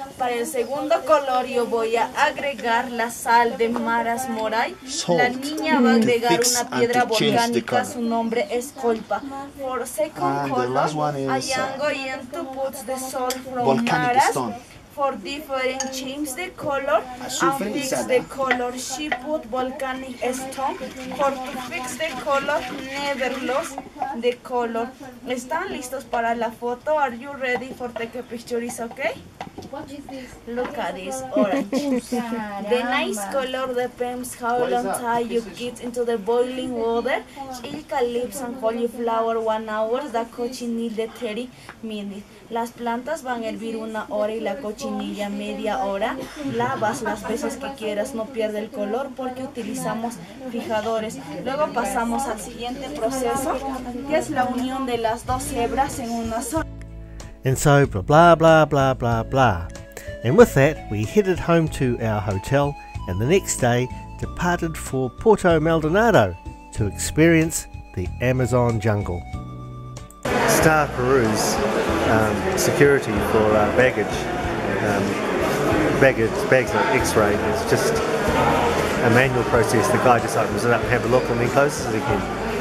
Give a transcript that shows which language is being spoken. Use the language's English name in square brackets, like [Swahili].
[Spanish] Para el segundo color yo voy a agregar la sal de Maras Moray. [English] Salt. [Spanish] La niña va a agregar una piedra volcánica. Su nombre es Colpa. [English] For second color, the last one is, I am going to put the salt from Maras. Stone. for different change the color and fix the color. She put volcanic stone for to fix the color, never lost the color. [Spanish] ¿Están listos para la foto? [English] Are you ready for take a picture? Is okay? Look at this orange. The nice color depends how long time you get into the boiling water. Eucalyptus and cauliflower 1 hour, the cochinilla 30 minutes. [Spanish] Las plantas van a hervir 1 hora y la cochinilla media hora. Lavas las veces que quieras, no pierde el color porque utilizamos fijadores. Luego pasamos al siguiente proceso, que es la unión de las dos hebras en una sola. [English] And so blah blah blah blah blah blah. And with that, we headed home to our hotel and the next day departed for Puerto Maldonado to experience the Amazon jungle. Star Peru's security for baggage, bags are x-rayed. It's just a manual process. The guy just opens it up, have a look, and then closes it again.